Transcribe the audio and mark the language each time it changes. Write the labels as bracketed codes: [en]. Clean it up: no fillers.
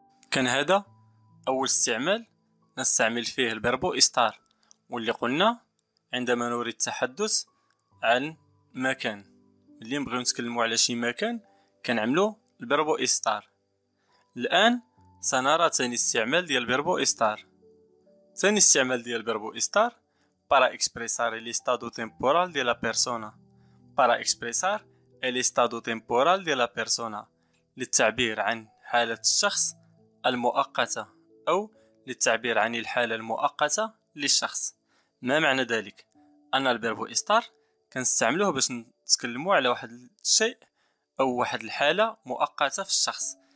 [ar] كان هذا أول استعمال نستعمل فيه البربو إستار، واللي قلنا عندما نريد التحدث عن مكان، اللي نبغي نتكلم على شي مكان كنعملو البربو إستار. الآن سنرى ثاني استعمال ديال البربو إستار. ثاني استعمال ديال البربو إستار [es] para expresar el estado temporal de la persona. Para expresar el estado temporal de la persona. [ar] للتعبير عن حالة الشخص المؤقتة، أو للتعبير عن الحالة المؤقتة للشخص. ما معنى ذلك؟ أن الفيربو إستار كنستعملوه باش نتكلموا على واحد الشيء أو واحد الحالة مؤقتة في الشخص.